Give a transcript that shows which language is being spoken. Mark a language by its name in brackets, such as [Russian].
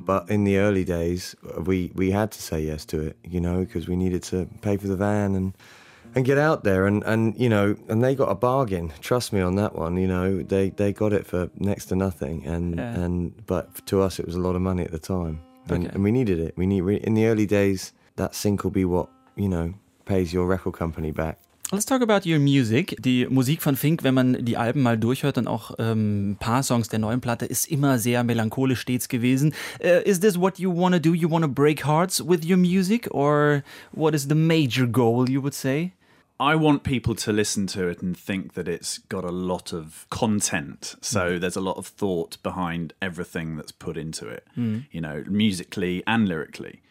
[English] But in the early days, we had to say yes to it, you know, because we needed to pay for the van and get out there, and you know, and they got a bargain. Trust me on that one. You know, they got it for next to nothing, and but to us, it was a lot of money at the time. And, okay. and we needed it. In the early days, that sync will be what, you know, pays your record company back. Let's talk about your music. [German] Die Musik von Fink, wenn man die Alben mal durchhört und auch ein paar Songs der neuen Platte, ist immer sehr melancholisch stets gewesen. [English] Is this what you want to do? You want to break hearts with your music? Or what is the major goal, you would say? I want people to listen to it and think that it's got a lot of content. So mm. there's a lot of thought behind everything that's put into it, mm. you know, musically and lyrically.